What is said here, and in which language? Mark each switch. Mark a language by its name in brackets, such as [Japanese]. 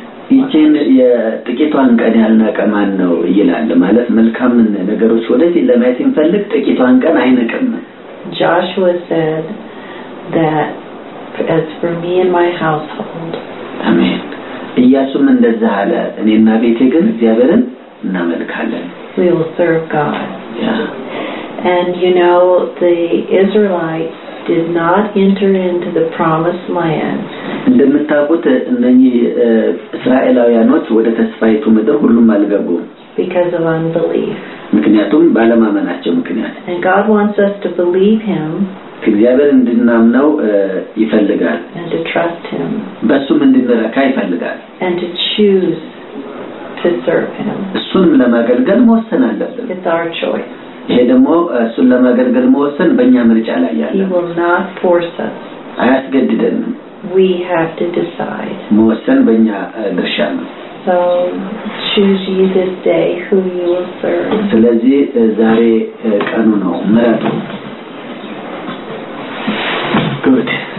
[Amharic] ይችን የጥቂቷን ቀን ያልነቀማን ነው ይላል ማለት መልካም ነገሮች ወደፊት ለማየት እንፈልግ ጥቂቷን ቀን አይነቀም [English] Joshua said that as for me and my household [Amharic] Amen ኢያሱም እንደዛ አለ እኔና ቤቴ ግን እግዚአብሔርን እናመልካለን [English] We will serve God Yeah And you know the Israelites did not enter into the promised land [Amharic] እንደምታውቁት እነኚህ እስራኤላውያኖች ወደ ተስፋይቱ ምድር ሁሉም አልገቡም [English] because of unbelief [Amharic] ምክንያቱም ባለማመናቸው ምክንያት [English] And God wants us to believe him [Amharic] እግዚአብሔርን እናምነው ይፈልጋል [English] and to trust him [Amharic] በሱም እንድንረካ ይፈልጋል [English] and to choose to serve him [Amharic] እሱን ለማገልገል መወሰን አለብን [English] it's our choice [Amharic] ይሄ ደግሞ እሱን ለማገልገል መወሰን በእኛ ምርጫ ላይ ያለ [English] He will not force us [Amharic] አያስገድደንም [English] We have to decide [Amharic] መወሰን በእኛ ድርሻ ነው [English] So choose you this day who you will serve [Amharic] ስለዚህ ዛሬ ቀኑ ነው ምረጡ Good